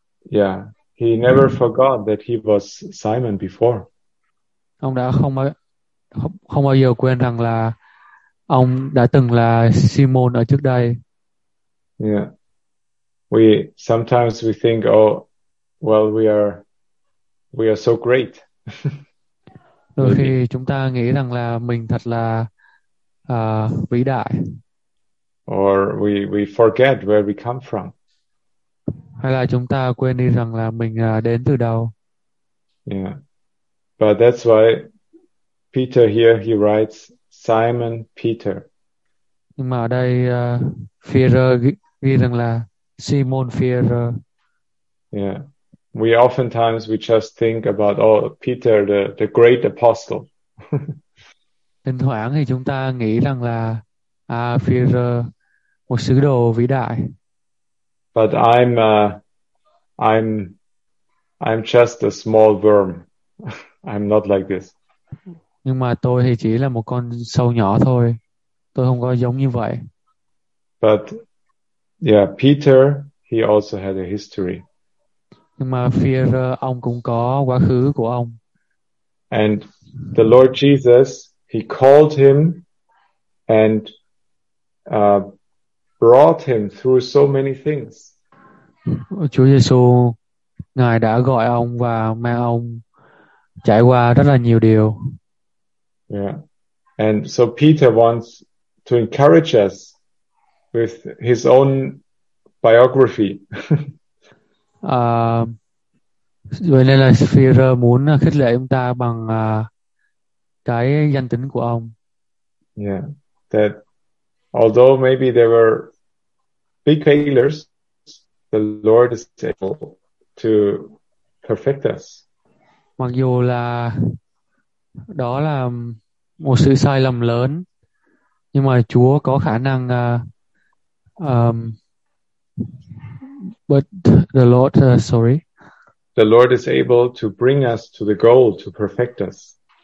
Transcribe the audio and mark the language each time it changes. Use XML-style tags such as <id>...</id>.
<en>Yeah, he never forgot that he was Simon before.</en> <vi>Ông đã không bao giờ quên rằng là ông đã từng là Simon ở trước đây.</vi> <en>Yeah. Sometimes we think, oh, well, we are so great.</en> <vi>Đôi khi chúng ta nghĩ rằng là mình thật là vĩ đại.</vi> <en>Or we forget where we come from.</en> <vi>Hay là chúng ta quên đi rằng là mình đến từ đâu.</vi> <en>Yeah. But that's why Peter here, he writes Simon Peter.</en> <vi>Nhưng mà ở đây Peter ghi rằng là Simon Peter.</vi> <en>Yeah. We oftentimes we just think about, oh, Peter the great apostle.</en> <vi>Thỉnh thoảng thì chúng ta nghĩ rằng là Peter một sứ đồ vĩ đại.</vi> <en>But I'm just a small worm. I'm not like this.</en> <vi>Nhưng mà tôi thì chỉ là một con sâu nhỏ thôi. Tôi không có giống như vậy.</vi> <en>But yeah, Peter, he also had a history.</en> <vi>Nhưng mà Peter, ông cũng có quá khứ của ông.</vi> <en>And the Lord Jesus, he called him and brought him through so many things.</en> <vi>Chúa Giêsu, Ngài đã gọi ông và mang ông trải qua rất là nhiều điều.</vi> <en>Yeah. And so Peter wants to encourage us with his own biography.</en> <vi>Vậy nên là Peter muốn khích lệ chúng ta bằng cái danh tính của ông.</vi> <en>Yeah. That although maybe there were big failures, the Lord is able to perfect us.</en> <vi>Mặc dù là đó là một sự sai lầm lớn, nhưng mà Chúa có khả năng</vi> <en>the Lord is able to bring us to the goal to perfect us.</en>